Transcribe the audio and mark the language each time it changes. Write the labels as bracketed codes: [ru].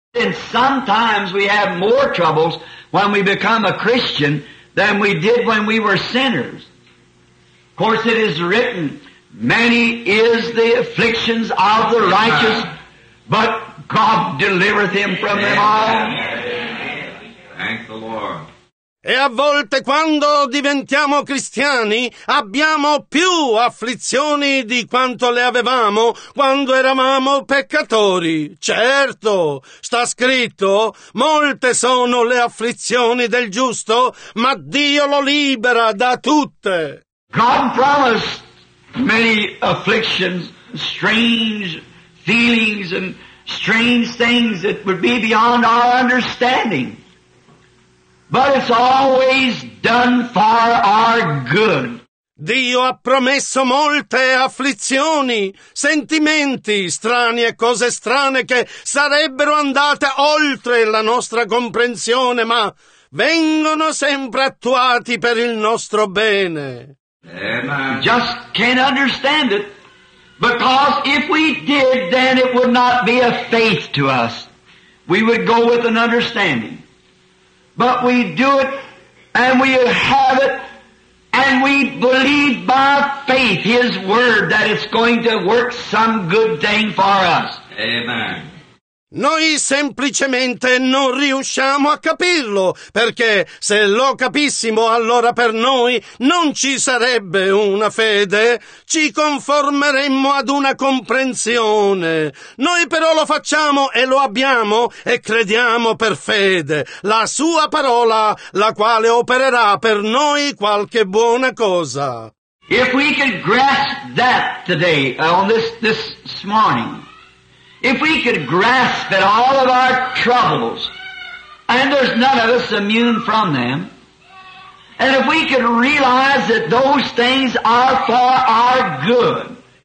[en] And sometimes we have more troubles when we become a Christian than we did when we were sinners. Of course it is written, many is the afflictions of the righteous, but God delivereth him from them all. Thank the Lord. [it] E a volte quando diventiamo cristiani abbiamo più afflizioni di quanto le avevamo quando eravamo peccatori. Certo, sta scritto, molte sono le afflizioni del giusto, ma Dio lo libera da tutte. [en] God promised many afflictions, strange feelings and strange things that would be beyond our understanding. But it's always done for our good. [it] Dio ha promesso molte afflizioni, sentimenti strani e cose strane che sarebbero andate oltre la nostra comprensione, ma vengono sempre attuati per il nostro bene. [en] Amen. Just can't understand it, because if we did, then it would not be a faith to us. We would go with an understanding. But we do it, and we have it, and we believe by faith His word that it's going to work some good thing for us. Amen. [it] Noi semplicemente non riusciamo a capirlo, perché se lo capissimo, allora per noi non ci sarebbe una fede, ci conformeremmo ad una comprensione. Noi però lo facciamo e lo abbiamo e crediamo per fede, la sua parola, la quale opererà per noi qualche buona cosa. [en] If we could grasp that today, on this morning, If we could grasp at all of our troubles, and there's none of us immune from them, and if we could realize that those things are for our good.